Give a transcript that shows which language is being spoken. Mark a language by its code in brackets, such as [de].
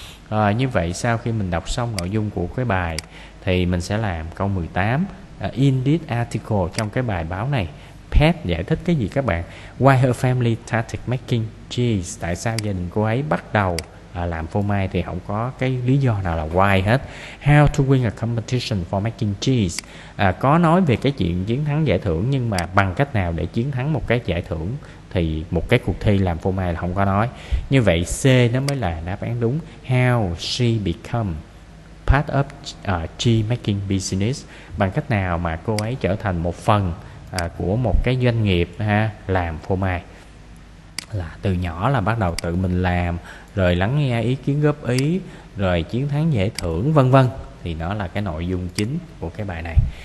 [vi] Rồi như vậy sau khi mình đọc xong nội dung của cái bài thì mình sẽ làm câu 18. [en] In this article, [vi] trong cái bài báo này, Pat giải thích cái gì các bạn? [en] Why her family started making cheese? [vi] Tại sao gia đình cô ấy bắt đầu làm phô mai thì không có cái lý do nào là why hết. [en] How to win a competition for making cheese. [vi] Có nói về cái chuyện chiến thắng giải thưởng, nhưng mà bằng cách nào để chiến thắng một cái giải thưởng thì một cái cuộc thi làm phô mai là không có nói. Như vậy C nó mới là đáp án đúng. [en] How she become part of cheese making business. [vi] Bằng cách nào mà cô ấy trở thành một phần của một cái doanh nghiệp ha, làm phô mai. Là từ nhỏ là bắt đầu tự mình làm, rồi lắng nghe ý kiến góp ý, rồi chiến thắng giải thưởng vân vân, thì nó là cái nội dung chính của cái bài này.